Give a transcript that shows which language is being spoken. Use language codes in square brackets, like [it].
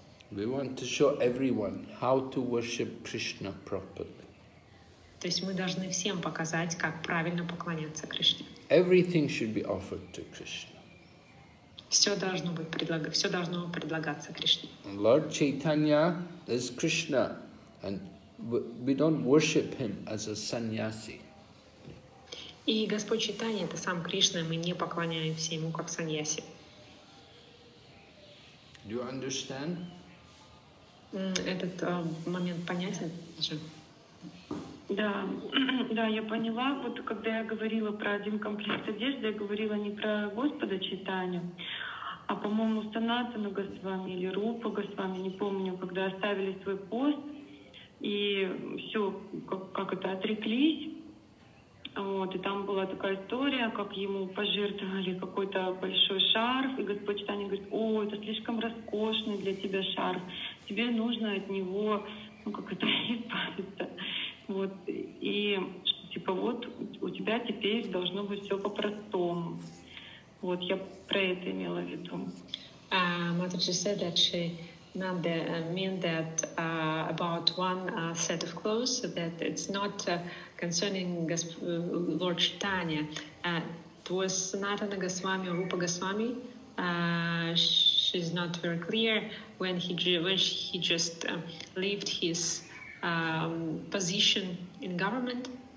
[en] We want to show everyone how to worship Krishna properly. [ru] То есть мы должны всем показать, как правильно поклоняться Кришне. [en] Everything should be offered to Krishna. [ru] Все должно предлагаться Кришне. [en] Lord Chaitanya is Krishna, and we don't worship him as a sannyasi. [ru] И Господь Чайтанья — это сам Кришна, мы не поклоняемся ему как саньяси. [en] Do you understand? [ru] Этот момент понятен, Джим? Да, да, я поняла. Вот когда я говорила про один комплект одежды, я говорила не про Господа Чайтанью, а, по-моему, Санатана Госвами или Рупа Госвами, не помню, когда оставили свой пост и все, как это, отреклись. Вот, и там была такая история, как ему пожертвовали какой-то большой шарф, и Господь Чайтанья говорит: «О, это слишком роскошный для тебя шарф, тебе нужно от него, ну, как это, избавиться». Вот, и типа вот у тебя теперь должно быть все по-простому. Вот я про это имела в виду. [en] Mataji said that she meant the mean that about one set of clothes, that it's not concerning Lord Chaitanya. It was Sanatana Goswami or Rupa Goswami. She's not very clear when he just left his position in government.